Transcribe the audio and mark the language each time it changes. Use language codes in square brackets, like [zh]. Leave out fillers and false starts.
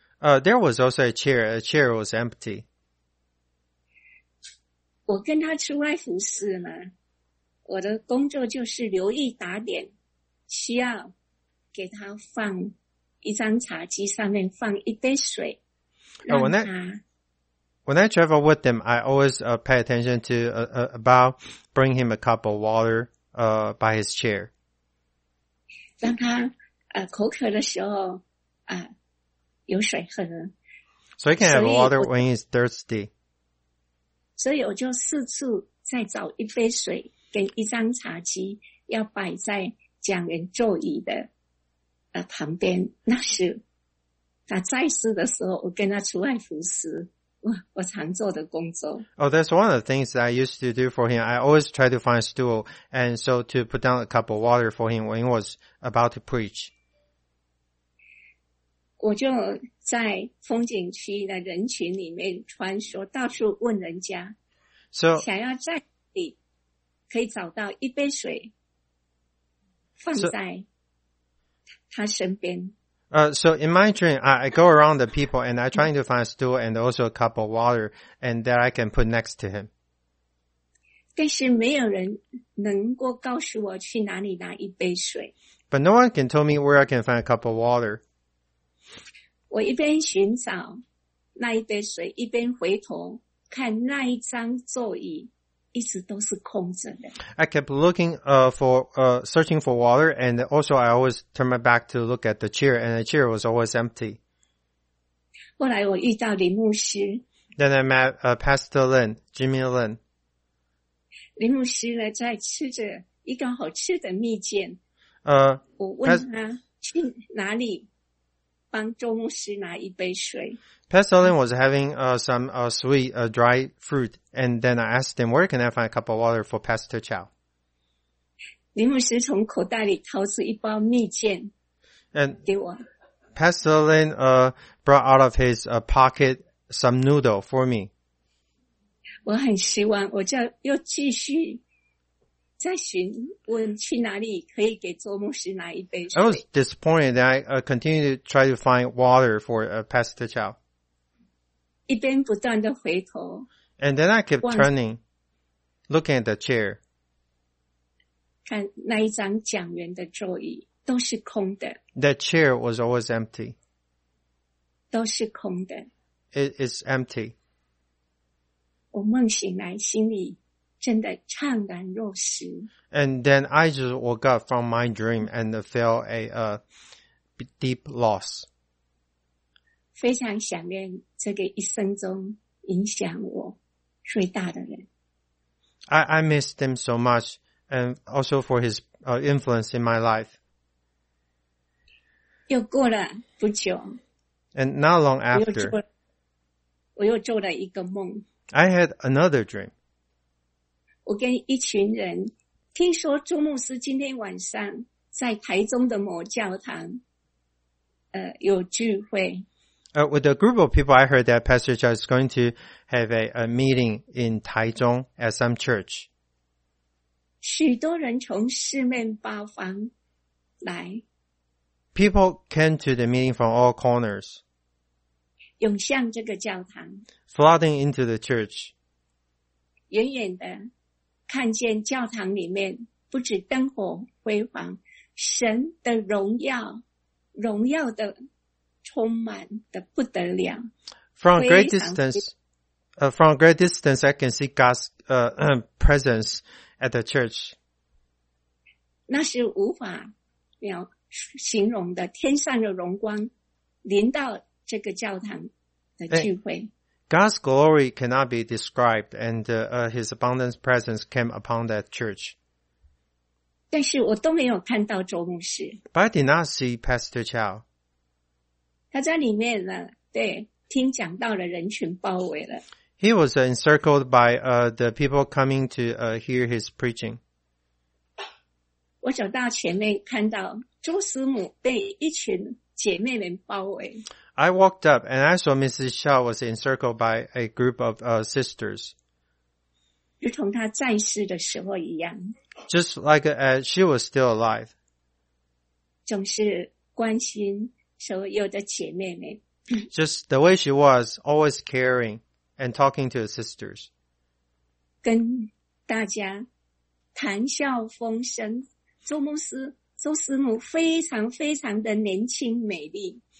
[en] There was also a chair was empty. [zh] 我跟他出外服侍呢，我的工作就是留意打点，需要给他放一张茶几，上面放一杯水，让他。 [en] When I travel with them, I always pay attention to about bring him a cup of water by his chair. [zh] 让他口渴的时候有水喝。 [en] So he can have water when he's thirsty. [zh] 所以我就四处再找一杯水跟一张茶几，要摆在讲员座椅的旁边。那是他在世的时候，我跟他出外服侍，我常做的工作。 [en] Oh, that's one of the things that I used to do for him. I always try to find a stool and so to put down a cup of water for him when he was about to preach. [zh] 我就在风景区的人群里面穿梭，到处问人家， [en] so, [zh] 想要在里可以找到一杯水放在他身边。 [en] So in my dream, I go around the people and I trying to find a stool and also a cup of water and that I can put next to him. [zh] 但是没有人能够告诉我去哪里拿一杯水。 [en] But no one can tell me where I can find a cup of water. [zh] 我一边寻找那一杯水，一边回头看那一张座椅。 [en] I kept looking searching for water, and also I always turned my back to look at the chair, and the chair was always empty. [zh] 后来我遇到林牧师。 [en] Then I met Pastor Lin, Jimmy Lin. [zh] 林牧师呢，在吃着一个好吃的蜜饯。我问他去哪里帮周牧师拿一杯水。 [en] Pastor Lin was having some sweet dry fruit, and then I asked him, where can I find a cup of water for Pastor Chow? [zh] 林牧师从口袋里掏出一包蜜饯给我。 [en] Pastor Lin brought out of his pocket some noodle for me. [zh] 我很希望我就又继续再询问去哪里可以给周牧师拿一杯水。 [en] I was disappointed that I continued to try to find water for Pastor Chow. [zh] 一边不断地回头。 [en] And then I kept turning, looking at the chair. [zh] 看那一张讲员的座椅都是空的。 [en] That chair was always empty. [zh] 都是空的。 [en] It is empty. [zh] 我梦醒来心里真的怅然若失。 [en] And then I just woke up from my dream and felt a deep loss. [zh] 非常想念这个一生中影响我最大的人。 [en] I missed him so much, and also for his influence in my life. [zh] 又过了不久。 [en] And not long after, [zh] 我又做了一个梦。 [en] I had another dream. [zh] 我跟一群人听说周牧师今天晚上在台中的某教堂有聚会。 [en] With a group of people, I heard that Pastor Chow is going to have a meeting in Taichung at some church. [zh] 许多人从四面八方来。 [en] People came to the meeting from all corners. [zh] 涌向这个教堂。 [en] Flooding into the church. [zh] 远远的看见教堂里面不止灯火辉煌，神的荣耀，荣耀的充满的不得了。 [en] From a great distance, I can see God's presence at the church. [zh] 那是无法描形容的，天上的荣光临到这个教堂的聚会。 [en] God's glory cannot be described, and His abundant presence came upon that church. [zh] 但是我都没有看到周牧师。 [en] But I did not see Pastor Chow. [zh] 他在里面了，对，听讲道的人群包围了。 [en] He was encircled by the people coming to hear his preaching. [zh] 我走到前面，看到周师母被一群姐妹们包围。 [en] I walked up and I saw Mrs. Chow was encircled by a group of sisters. [zh] 如同她在世的时候一样。 [en] Just like she was still alive. [zh] 总是关心。所有的姐妹们 [en] Just the way she was, always caring and talking to her sisters. [zh] 跟大家谈笑风生，周牧师、周师母非常非常的年轻美丽。